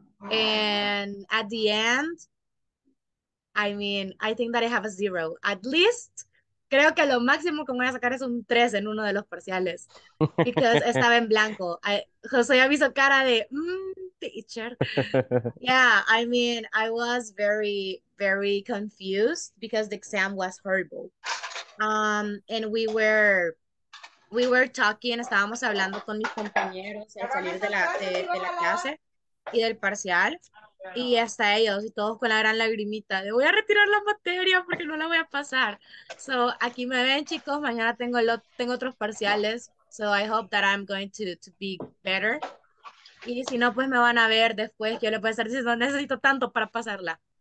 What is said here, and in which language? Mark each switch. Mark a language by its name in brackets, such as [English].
[English] And at the end, I mean, I think that I have a zero. At least, [Spanish] creo que lo máximo que voy a sacar es un 3 en uno de los parciales. Because estaba en blanco. José ya me hizo cara de, teacher. [English] Yeah, I mean, I was very, very confused because the exam was horrible. And we were talking, [Spanish] estábamos hablando con mis compañeros al salir de la clase y del parcial. Y hasta ellos, y todos con la gran lagrimita de voy a retirar la materia porque no la voy a pasar. So aquí me ven, chicos, mañana tengo otros parciales. [English] So I hope that I'm going to be better. [Spanish] Y si no, pues me van a ver después. Yo le puedo estar diciendo, necesito tanto para pasarla.